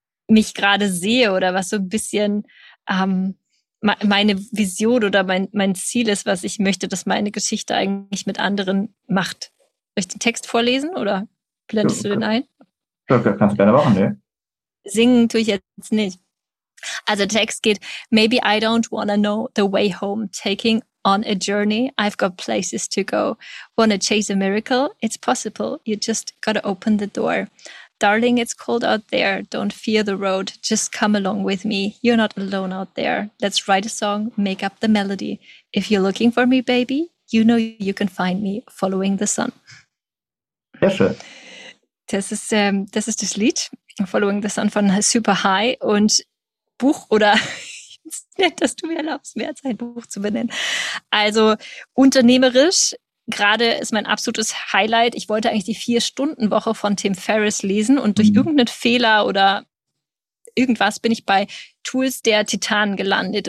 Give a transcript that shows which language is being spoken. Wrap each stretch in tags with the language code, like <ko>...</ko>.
<de>mich gerade sehe oder was so ein bisschen meine Vision oder mein Ziel ist, was ich möchte, dass meine Geschichte eigentlich mit anderen macht. Soll ich den Text vorlesen oder blendest du den ein? Kannst du gerne machen, ne? Singen tue ich jetzt nicht. Also der Text geht,</de> <en>maybe I don't wanna know the way home, taking on a journey, I've got places to go. Wanna chase a miracle? It's possible, you just gotta open the door. Darling, it's cold out there, don't fear the road, just come along with me, you're not alone out there. Let's write a song, make up the melody. If you're looking for me, baby, you know you can find me following the sun.</en> <de>Sehr schön. Das ist das Lied, Following the Sun von Super High und Buch oder nett, dass du mir erlaubst, mehr als ein Buch zu benennen. Also unternehmerisch, gerade ist mein absolutes Highlight. Ich wollte eigentlich die 4-Stunden-Woche von Tim Ferriss lesen und durch irgendeinen Fehler oder irgendwas bin ich bei Tools der Titanen gelandet.</de>